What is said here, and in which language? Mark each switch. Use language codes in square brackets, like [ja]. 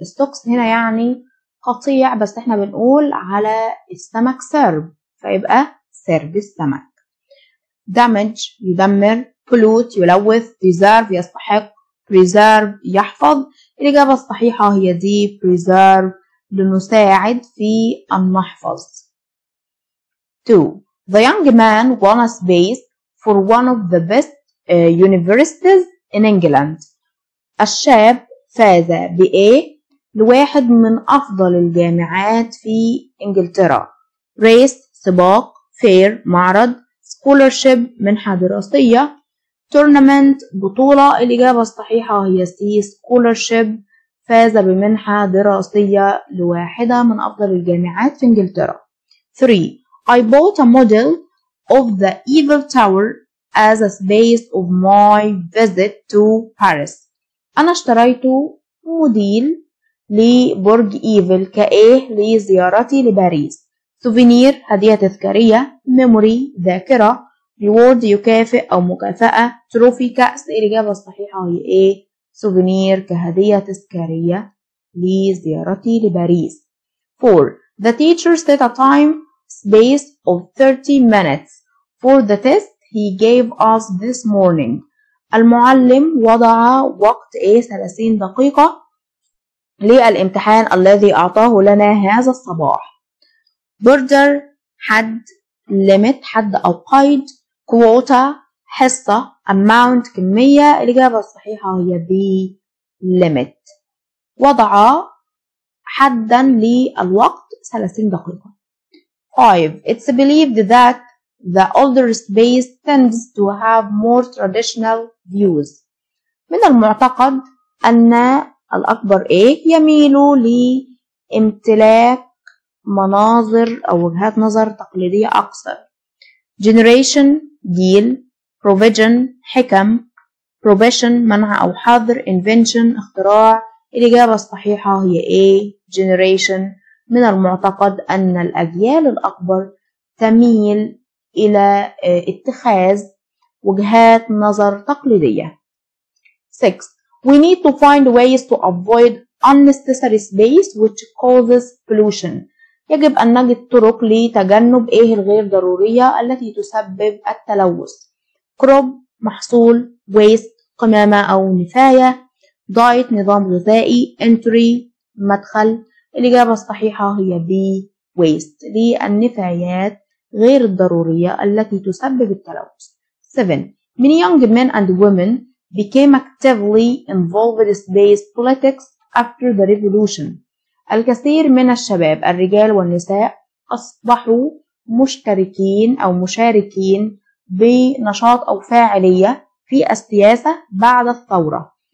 [ar] stocks هنا يعني قطيع، بس إحنا بنقول على السمك سرب، فيبقى سرب السمك. damage يدمر، pollute يلوث، preserve يستحق، preserve يحفظ. الإجابة الصحيحة هي دي، preserve، لنساعد في المحفظ. 2. [en] The young man won a space for one of the best universities in England. [ar] الشاب فاز بإيه؟ لواحد من أفضل الجامعات في إنجلترا. race سباق، fair معرض، scholarship منحة دراسية، tournament بطولة. الإجابة الصحيحة هي C، scholarship، فاز بمنحة دراسية لواحدة من أفضل الجامعات في إنجلترا. [en] 3. I bought a model of the Eiffel Tower as a space of my visit to Paris. [ar] أنا اشتريت موديل لبرج إيفل كإيه؟ لزيارتي لباريس. سوفينير هدية تذكارية، ميموري ذاكرة، ريورد يكافئ أو مكافأة، تروفي كأس. الإجابة الصحيحة هي إيه؟ سوفينير كهدية تذكارية لزيارتي لباريس. 4. [en] The teacher set a time space of 30 minutes for the test he gave us this morning. [ar] المعلم وضع وقت إيه؟ 30 دقيقة للامتحان الذي أعطاه لنا هذا الصباح. border حد، limit حد أو قيد، quota حصة، amount كمية. الإجابة الصحيحة هي B، limit، وضع حدا للوقت 30 دقيقة. 5. [en] It's believed that the older space tends to have more traditional views. [ar] من المعتقد أن الأكبر إيه؟ يميل لامتلاك مناظر أو وجهات نظر تقليدية أكثر. generation جيل، provision حكم، probation منع أو حظر، invention اختراع. الإجابة الصحيحة هي A، generation، من المعتقد أن الأجيال الأكبر تميل إلى اتخاذ وجهات نظر تقليدية. [en] 6. We need to find ways to avoid unnecessary space which causes pollution. [ar] يجب أن نجد طرق لتجنب إيه؟ الغير ضرورية التي تسبب التلوث. crop محصول، waste قمامة أو نفاية، diet نظام غذائي، entry مدخل. الإجابة الصحيحة هي B، waste، للنفايات غير الضرورية التي تسبب التلوث. 7. [en] Many young men and women became actively involved in space politics after the revolution. [ar] الكثير من الشباب الرجال والنساء أصبحوا مشتركين أو مشاركين بنشاط أو فاعلية في السياسة بعد الثورة.